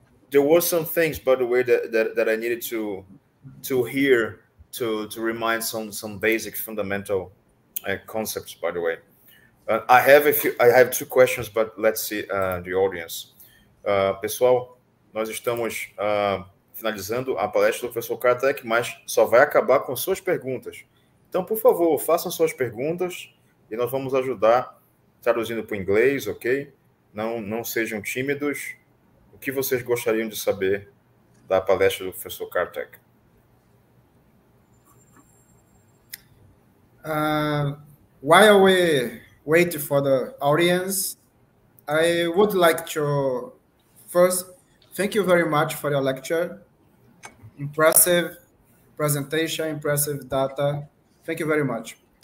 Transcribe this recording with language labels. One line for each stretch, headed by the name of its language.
English: There were some things, by the way, that I needed to hear to remind some basic fundamental concepts, by the way. I have two questions, but let's see the audience.
Portuguese: Pessoal, nós estamos finalizando a palestra do professor Karthik, mas só vai acabar com suas perguntas. Então, por favor, façam suas perguntas e nós vamos ajudar traduzindo para o inglês, ok? Não sejam tímidos. O que vocês gostariam de saber da palestra do professor Karthik?
English: While we wait for the audience, I would like to first thank you very much for your lecture. Impressive presentation, impressive data. Thank you very much.